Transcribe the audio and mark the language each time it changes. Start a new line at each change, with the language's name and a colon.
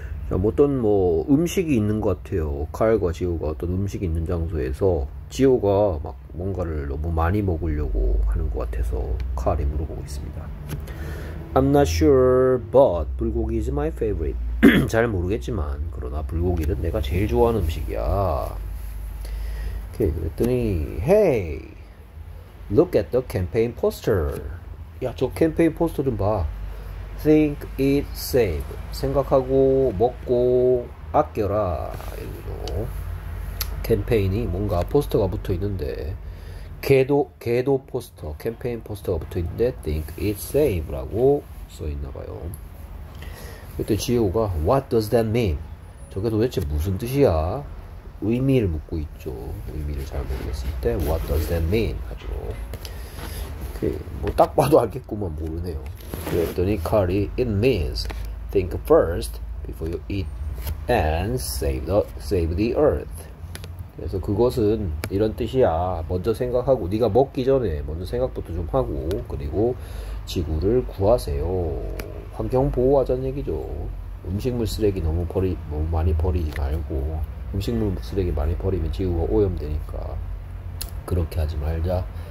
Korean: 어떤 뭐 음식이 있는 것 같아요. 칼과 지호가 어떤 음식이 있는 장소에서 지호가 막 뭔가를 너무 많이 먹으려고 하는 것 같아서 칼이 물어보고 있습니다.
English: I'm not sure, but 불고기 is my favorite.
Korean: 잘 모르겠지만 그러나 불고기는 내가 제일 좋아하는 음식이야. 오케이, 그랬더니
English: Hey, look at the campaign poster.
Korean: 야, 저 캠페인 포스터 좀 봐.
English: Think, eat, save.
Korean: 생각하고, 먹고, 아껴라. 이거죠. 캠페인이 뭔가 포스터가 붙어 있는데, 궤도 포스터, 캠페인 포스터가 붙어 있는데,
English: Think, eat, save
Korean: 라고 써 있나 봐요. 그때 지호가,
English: What does that mean?
Korean: 저게 도대체 무슨 뜻이야? 의미를 묻고 있죠. 의미를 잘 모르겠을 때,
English: What does that mean?
Korean: 하죠. 뭐딱 봐도 알겠구만 모르네요. 그랬더니 칼이
English: It means think first before you eat and save the earth.
Korean: 그래서 그것은 이런 뜻이야. 먼저 생각하고 네가 먹기 전에 먼저 생각부터 좀 하고 그리고 지구를 구하세요. 환경 보호하자는 얘기죠. 음식물 쓰레기 너무 많이 버리지 말고 음식물 쓰레기 많이 버리면 지구가 오염되니까 그렇게 하지 말자.